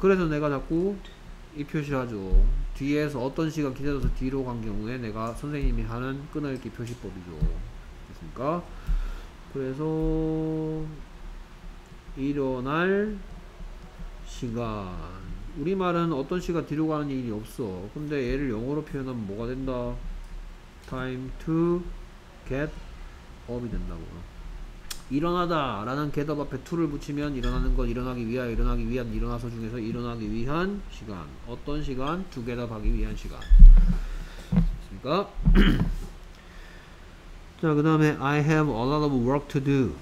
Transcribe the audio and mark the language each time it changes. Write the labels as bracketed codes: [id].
[ko] 그래서 내가 자꾸 이 표시를 하죠. 뒤에서 어떤 시가 기다려서 뒤로 간 경우에 내가 선생님이 하는 끊어읽기 표시법이죠. 됐습니까? 그래서 일어날 시간 우리말은 어떤 시가 뒤로 가는 일이 없어. 근데 얘를 영어로 표현하면 뭐가 된다? [en] Time to get up [ko] 이 된다고요. 일어나다 라는 get up 앞에 to를 붙이면 일어나는 것, 일어나기 위하여, 일어나기 위한, 일어나서 중에서 일어나기 위한 시간. 어떤 시간? to get up 하기 위한 시간. 됐습니까? 자, 그 다음에 [en] I have a lot of work to do.